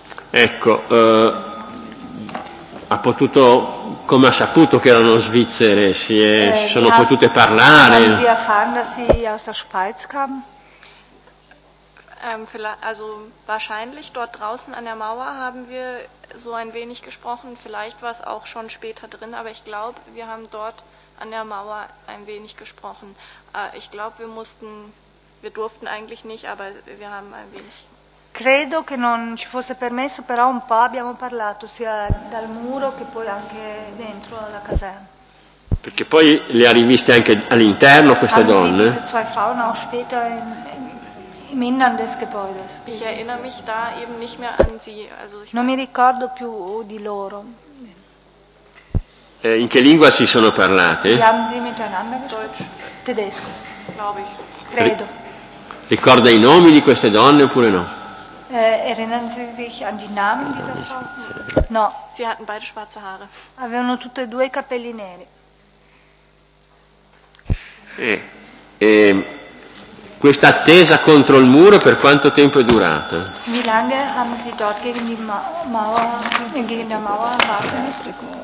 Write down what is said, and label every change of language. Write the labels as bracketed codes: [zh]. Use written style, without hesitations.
[it] Ecco, ha potuto, come ha saputo che erano svizzere, si è, sono potute parlare. [de] Haben Sie erfahren, dass sie aus der Schweiz kamen? Also wahrscheinlich dort draußen an der Mauer haben wir so ein wenig gesprochen. Vielleicht war es auch schon später drin, aber ich glaube, wir haben dort an der Mauer ein wenig gesprochen. Ich glaube, wir mussten, wir durften eigentlich nicht, aber wir haben ein wenig. [it] Credo che non ci fosse permesso, però un po' abbiamo parlato sia dal muro che poi anche dentro alla caserma. Perché poi le ha riviste anche all'interno queste donne? [de] Zwei Frauen auch später in im Innern des Gebäudes. Ich erinnere mich da eben nicht mehr an sie. Also [it] non mi ricordo più di loro. In che lingua si sono parlate? [de] Sie haben sie miteinander gesprochen? [it] Tedesco. [de] Glaube ich. [it] Credo. Ricorda i nomi di queste donne oppure no? [de] Erinnern Sie sich an die Namen dieser Frauen? [it] No. [de] Sie hatten beide schwarze Haare. [it] Avevano tutte e due i capelli neri. Questa attesa contro il muro per quanto tempo è durata? [de] Wie lange haben Sie dort gegen die Mauer gegen der Mauer warten müssen?